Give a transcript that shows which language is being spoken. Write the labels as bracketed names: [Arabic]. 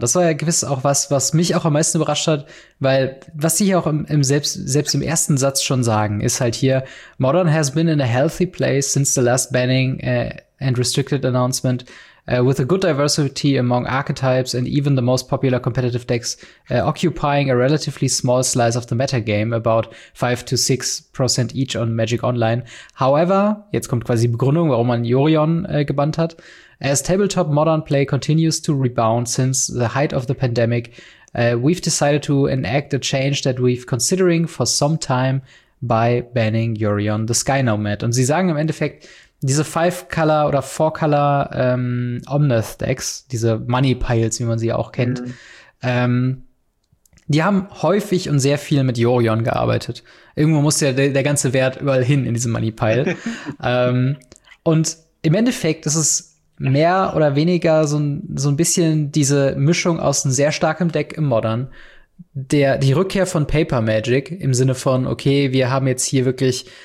[German] Das war ja gewiss auch was mich auch am meisten überrascht hat, weil was sie hier auch selbst im ersten Satz schon sagen, ist halt hier, [English] Modern has been in a healthy place since the last banning and restricted announcement, with a good diversity among archetypes and even the most popular competitive decks occupying a relatively small slice of the metagame, about 5-6% each on Magic Online. [German] However, jetzt kommt quasi die Begründung, warum man Jorion gebannt hat. [English] As tabletop modern play continues to rebound since the height of the pandemic, we've decided to enact a change that we've considering for some time by banning Jorion the Sky Nomad. [German] Und sie sagen im Endeffekt, diese Five-Color oder Four-Color Omnath-Decks, diese Money-Piles, wie man sie auch kennt, die haben häufig und sehr viel mit Jorion gearbeitet. Irgendwo muss ja der ganze Wert überall hin in diesem Money-Pile. und im Endeffekt ist es mehr oder weniger so ein bisschen diese Mischung aus einem sehr starkem Deck im Modern, die Rückkehr von Paper Magic im Sinne von, okay, wir haben jetzt hier wirklich